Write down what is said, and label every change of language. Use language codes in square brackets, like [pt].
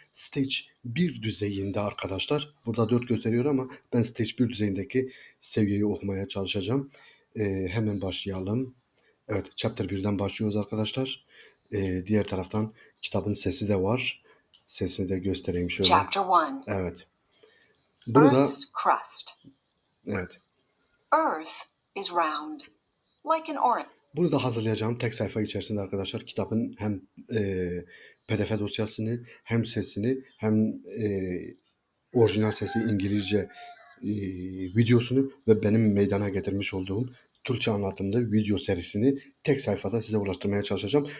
[tr] Stage 1 düzeyinde arkadaşlar. Burada 4 gösteriyor ama ben Stage 1 düzeyindeki seviyeyi okumaya çalışacağım. Hemen başlayalım. Evet, Chapter 1'den başlıyoruz arkadaşlar. Diğer taraftan kitabın sesi de var. Sesini de göstereyim şöyle. [en] Chapter 1. [tr] Evet. Burada, [en] Earth's crust. [tr] Evet. [en] Earth is round, like an orange. [tr] Bunu da hazırlayacağım tek sayfa içerisinde arkadaşlar. Kitabın hem PDF dosyasını, hem sesini, hem orijinal sesi İngilizce videosunu ve benim meydana getirmiş olduğum Türkçe anlatımda video serisini tek sayfada size ulaştırmaya çalışacağım.